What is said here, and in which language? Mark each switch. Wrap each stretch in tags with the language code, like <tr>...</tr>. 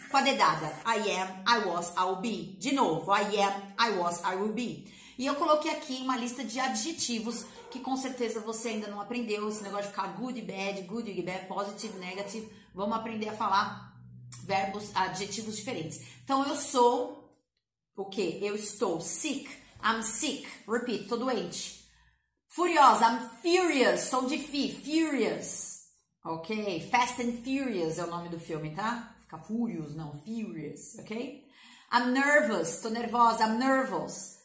<pt>Com a dedada,</pt> <en>I am, I was, I'll be.</en> <pt>De novo,</pt> <en>I am, I was, I will be.</en> <pt>E eu coloquei aqui uma lista de adjetivos que com certeza você ainda não aprendeu, esse negócio de ficar good, bad, positive, negative. Vamos aprender a falar verbos, adjetivos diferentes. Então, eu sou o quê? Eu estou sick,</pt> <en>I'm sick, repeat,</en> <pt>tô doente. Furiosa,</pt> <en>I'm furious,</en> <pt>som de fi, furious, ok? Fast and Furious é o nome do filme, tá? Fica furious, não, furious, ok?</pt> <en>I'm nervous,</en> <pt>tô nervosa,</pt> <en>I'm nervous.</en>